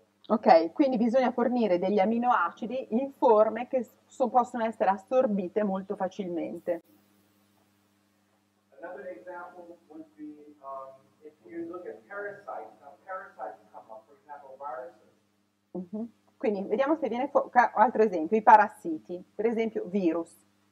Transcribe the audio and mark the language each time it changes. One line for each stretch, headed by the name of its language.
Italian: Ok, quindi bisogna fornire degli aminoacidi in forme che possono essere assorbite molto facilmente.
English: obtainable. Another example would be if you look at parasites, now parasites come up, for example, viruses.
Italian: Quindi vediamo se viene fuori altro esempio, i parassiti, per esempio virus.